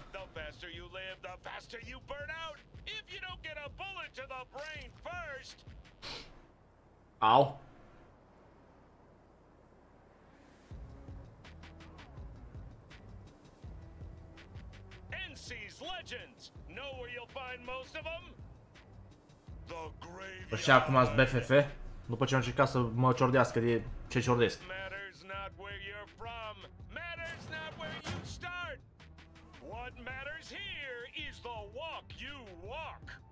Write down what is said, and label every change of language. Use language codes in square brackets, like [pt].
[en] The faster you live, the faster you burn out. If you don't get a bullet to the brain first. Ow. NC's legends. Know where you'll find most of them? The grave. [ro] Păi și acum ați BFF? După ce am încercat să mă ciordească de ce ciordesc. [en] Matters not where you're from. Matters not where you start. What matters here is the walk you walk.